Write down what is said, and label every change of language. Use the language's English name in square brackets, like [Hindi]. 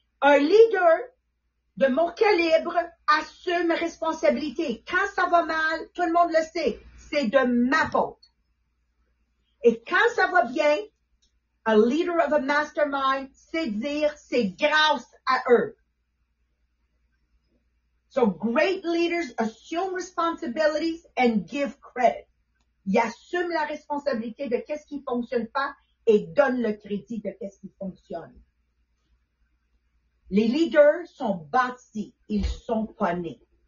[French] Un leader de mon calibre assume responsabilité. Quand ça va mal, tout le monde le sait, c'est de ma faute. Et quand ça va bien, [English] a leader of a mastermind [French] sait dire c'est grâce à eux. [English] So great leaders assume responsibilities and give credit. [French] Ils assument la responsabilité de qu'est-ce qui fonctionne pas et donne le crédit de qu'est-ce qui fonctionne. Les leaders sont bâtis, ils sont pas nés.